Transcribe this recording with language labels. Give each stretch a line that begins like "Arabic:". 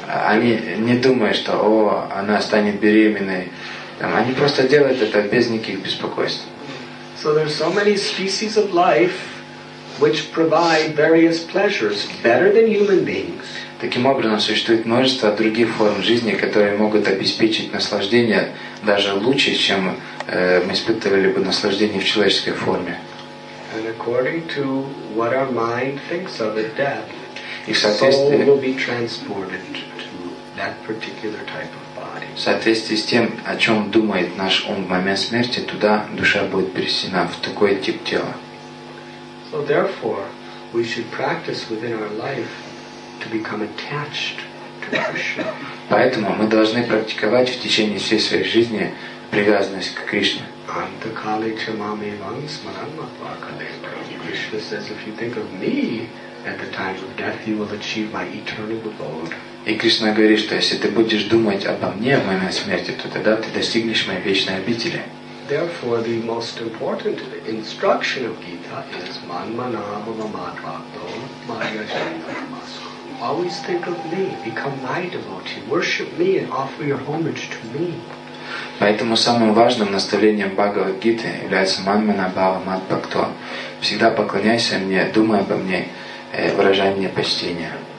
Russian: Они не думают, что о, она станет беременной. Там, они просто делают это без никаких беспокойств.
English: So there's so many species of life which provide various pleasures better than human beings.
Russian: Таким образом, существует множество других форм жизни, которые могут обеспечить наслаждение даже лучше, чем мы испытывали бы наслаждение в человеческой форме.
English: And according to what our mind thinks of at death.
Russian: И в соответствии,
English: soul will be transported to that particular type of body.
Russian: в соответствии с тем, о чем думает наш ум в момент смерти, туда душа будет переселена, в такой тип тела.
English: So therefore, we should practice within our life to become attached to Krishna.
Russian: Поэтому мы должны практиковать в течение всей своей жизни привязанность к Кришне.
Sanskrit: Anta kale cha mam evam smaran matva kale.
English: Krishna says, if you think of me at the time of death, you will achieve my eternal abode.
Russian: И Кришна говорит, что если ты будешь думать обо мне в момент смерти, то тогда ты достигнешь моей вечной обители.
English: Therefore, the most important instruction of Gita is
Sanskrit: Manmanabhavamadvato Maryajanamasko.
English: Always think of me, become my devotee, worship me and offer your homage to me.
Russian: Поэтому самым важным наставлением Бхагавад Гиты является Манманабхавамадбхакто. Всегда поклоняйся мне, думай обо мне, выражай мне почтение.